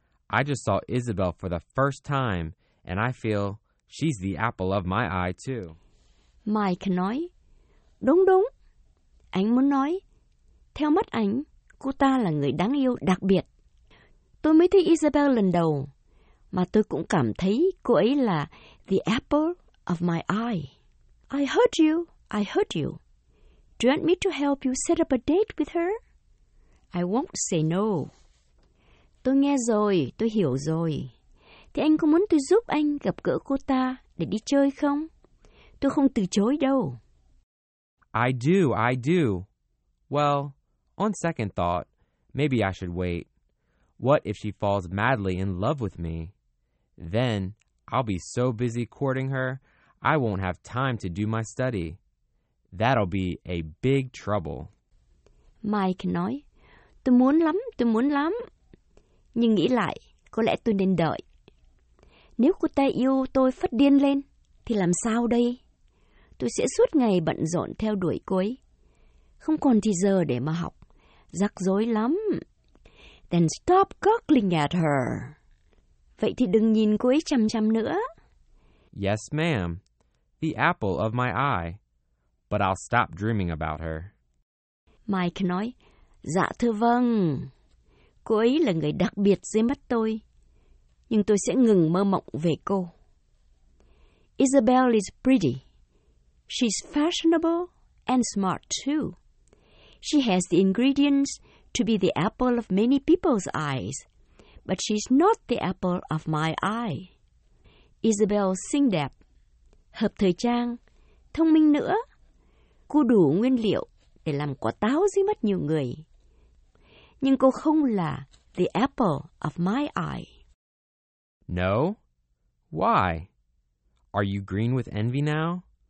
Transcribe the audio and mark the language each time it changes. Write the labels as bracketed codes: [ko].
[en] I just saw Isabel for the first time, and I feel she's the apple of my eye, too. [vi] Mike nói, đúng đúng. Anh muốn nói, theo mắt anh, cô ta là người đáng yêu đặc biệt. Tôi mới thấy Isabel lần đầu, mà tôi cũng cảm thấy cô ấy là [en] the apple of my eye. I heard you, I heard you. Do you want me to help you set up a date with her? I won't say no. [vi] Tôi nghe rồi, tôi hiểu rồi. Thế anh có muốn tôi giúp anh gặp gỡ cô ta để đi chơi không? Tôi không từ chối đâu. [en] I do, I do. Well, on second thought, maybe I should wait. What if she falls madly in love with me? Then I'll be so busy courting her, I won't have time to do my study. That'll be a big trouble. [vi] Mike nói, tôi muốn lắm, tôi muốn lắm. Nhưng nghĩ lại, có lẽ tôi nên đợi. Nếu cô ta yêu tôi phát điên lên, thì làm sao đây? Tôi sẽ suốt ngày bận rộn theo đuổi cô ấy. Không còn thì giờ để mà học. Rắc rối lắm. [en] Then stop cuddling at her. [vi] Vậy thì đừng nhìn cô ấy chằm chằm nữa. [en] Yes, ma'am. The apple of my eye. But I'll stop dreaming about her. [vi] Mike nói, dạ thưa vâng. Cô ấy là người đặc biệt dưới mắt tôi. Nhưng tôi sẽ ngừng mơ mộng về cô. [en] Isabel is pretty. She's fashionable and smart too. She has the ingredients to be the apple of many people's eyes. But she's not the apple of my eye. [vi] Isabel xinh đẹp, hợp thời trang, thông minh nữa. Cô đủ nguyên liệu để làm quả táo dưới mắt nhiều người. Nhưng cô không là [en] the apple of my eye. No? Why? Are you green with envy now?